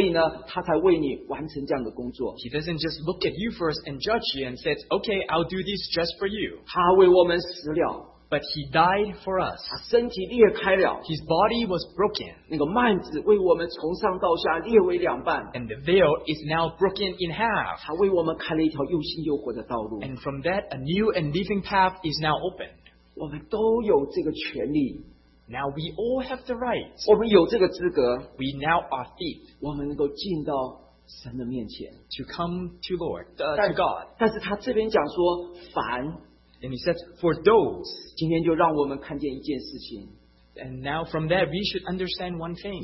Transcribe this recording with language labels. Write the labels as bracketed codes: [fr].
[zh] 他不是先看说你的光景如何，所以呢，他才为你完成这样的工作。 [en] He doesn't just look at you first and judge you and says, "Okay, I'll do this just for you." [zh] 他为我们死了。 [en] But he died for us. [zh] 他身体裂开了, [en] his body was broken. [zh] 那个幔子为我们从上到下裂为两半, [en] and the veil is now broken in half. [zh] 他为我们开了一条又新又活的道路, [en] and from that, a new and living path is now opened. [zh] 我们都有这个权利, [en] now we all have the right. [zh] 我们有这个资格, [en] we now are fit. [zh] 我们能够进到 神的面前, [en] to come to Lord, 但, to God. [zh] 但是他这边讲说, 凡, [en] and he says, for those. [zh] 今天就让我们看见一件事情, [en] and now from that, we should understand one thing.